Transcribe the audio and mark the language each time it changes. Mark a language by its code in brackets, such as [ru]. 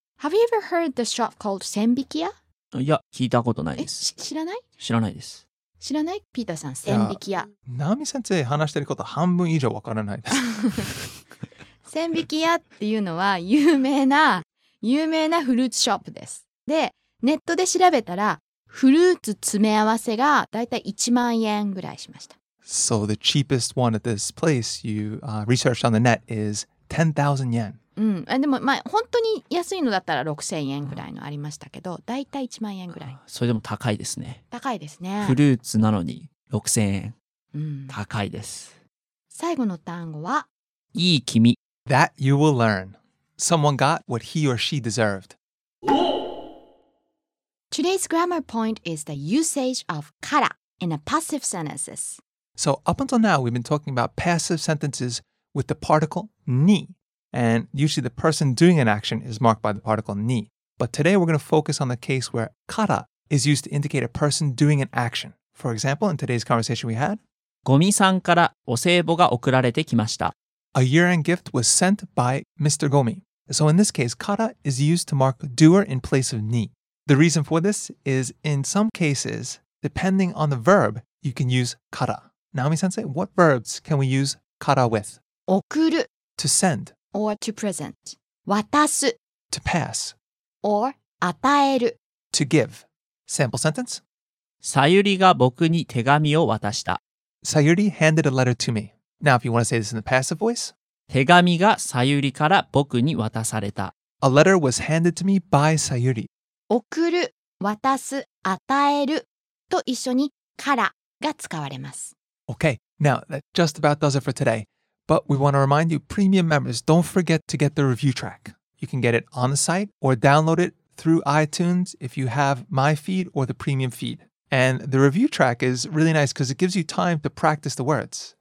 [en] Have you ever heard the shop called 千引屋? [ja] いや、聞いたことないです。知らない? 知らないです。知らない? ピーターさん、千引き屋。ナオミ先生話してること半分以上わからないです。千引き屋っていうのは有名なフルーツショップです。で、ネットで調べたら、フルーツ詰め合わせがだいたい1万円ぐらいしました。 [en] So the cheapest one at this place you researched on the net is 10,000 yen. [ja] うん、でもまあ本当に安いのだったら6000円ぐらいのありましたけど、だいたい1万円ぐらい。それでも高いですね。高いですね。フルーツなのに6000円。うん、高いです。最後の単語は、いい君。 [en] That you will learn. Someone got what he or she deserved. Today's grammar point is the usage of から in a passive sentences. So up until now, we've been talking about passive sentences with the particle に。 And usually the person doing an action is marked by the particle に. But today we're going to focus on the case where から is used to indicate a person doing an action. For example, in today's conversation we had, [ja] ゴミさんからお歳暮が送られてきました。 [en] A year-end gift was sent by Mr. Gomi. So in this case, から is used to mark doer in place of に. The reason for this is in some cases, depending on the verb, you can use から. Naomi-sensei, what verbs can we use から with? [ja] 送る. [en] To send. Or to present. 渡す. To pass. Or 与える. To give. Sample sentence. [ja] さゆりが僕に手紙を渡した. [en] さゆり handed a letter to me. Now if you want to say this in the passive voice. [ja] 手紙がさゆりから僕に渡された. [en] A letter was handed to me by さゆり. [ja] 送る、渡す、与えると一緒にからが使われます. [en] Okay, now that just about does it for today. But we want to remind you, premium members, don't forget to get the review track. You can get it on the site or download it through iTunes if you have my feed or the premium feed. And the review track is really nice because it gives you time to practice the words.